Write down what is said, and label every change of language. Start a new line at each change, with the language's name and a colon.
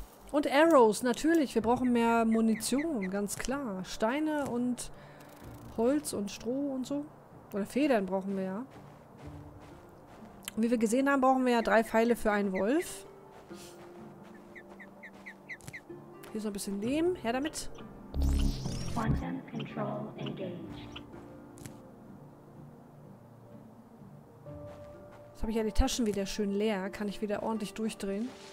German: Und Arrows, natürlich. Wir brauchen mehr Munition, ganz klar. Steine und Holz und Stroh und so. Oder Federn brauchen wir ja. Und wie wir gesehen haben, brauchen wir ja 3 Pfeile für einen Wolf. Hier ist noch ein bisschen Lehm. Her damit.
English: Quantum Control engaged.
German: Jetzt habe ich ja die Taschen wieder schön leer. Kann ich wieder ordentlich durchdrehen.